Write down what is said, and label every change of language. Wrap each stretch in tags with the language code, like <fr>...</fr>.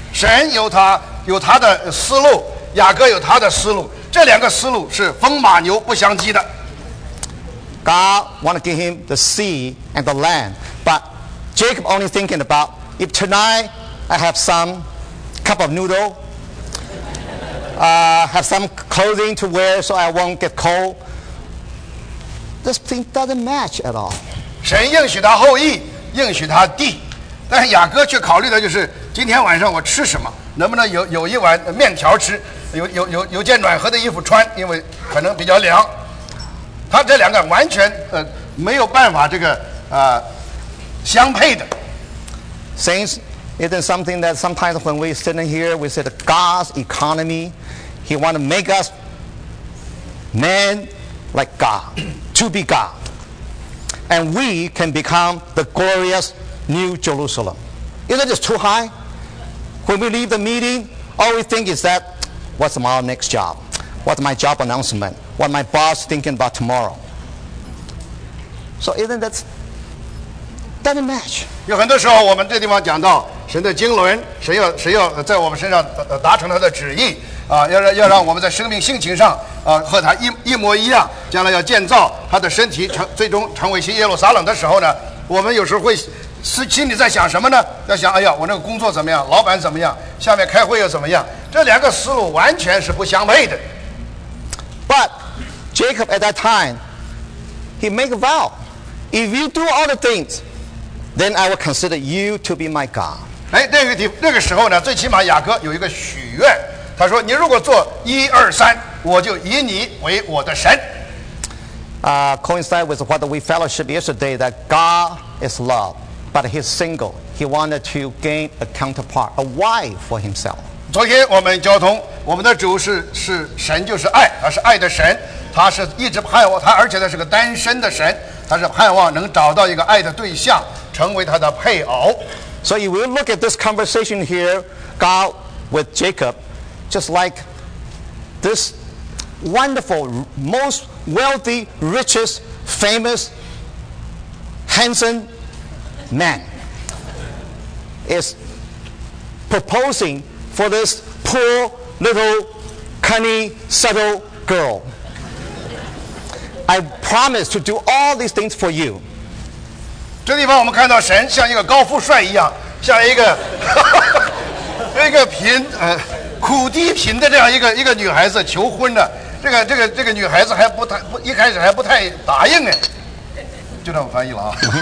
<zh>神有他的思路，雅各有他的思路，这两个思路是风马牛不相及的。</zh> <en>God want to give him the sea and the land, but Jacob only thinking about if tonight I have some cup of noodle, have some clothing to wear so I won't get cold. This thing doesn't match at all.</en> <zh>神应许他后裔，应许他地，但是雅各却考虑的就是今天晚上我吃什么，能不能有一碗面条吃，有件暖和的衣服穿，因为可能比较凉。他这两个完全没有办法这个相配的。</zh> <en>Saints, isn't something that sometimes when we sitting here, we say the God's economy, He want to make us men like God, to be God, and we can become the glorious New Jerusalem. Isn't this too high? When we leave the meeting, all we think is that, what's my next job? What's my job announcement? What my boss thinking about tomorrow. So isn't that doesn't match?</en> <zh>有很多时候我们这地方讲到神的经纶，神要在我们身上达成他的旨意啊，要让我们在生命性情上啊和他一模一样，将来要建造他的身体，最终成为新耶路撒冷的时候呢，我们有时候会心里在想什么呢？要想，哎呀，我那个工作怎么样？老板怎么样？下面开会又怎么样？这两个思路完全是不相配的。</zh> <en>But Jacob at that time, he made a vow. If you do all the things, then I will consider you to be my God.</en> <zh>哎，那个时候呢，最起码雅各有一个许愿。他说，你如果做一二三，我就以你为我的神。</zh> <en>Coincide with what we fellowship yesterday, that God is love, but he's single. He wanted to gain a counterpart, a wife for himself.</en> <zh>昨天我们交通，我们的主是神，就是爱，他是爱的神，他是一直盼望他，而且他是个单身的神，他是盼望能找到一个爱的对象，成为他的配偶。</zh> <en>So if we look at this conversation here, God with Jacob, just like this wonderful, most wealthy, richest, famous, handsome man is proposing. For this poor, little, cunning, subtle girl, I promise to do all these things for you.</en> <zh>这地方我们看到神像一个高富帅一样，像一个一个贫苦地贫的这样一个女孩子求婚的。这个女孩子还不一开始还不太答应哎，就这么翻译了啊。</zh>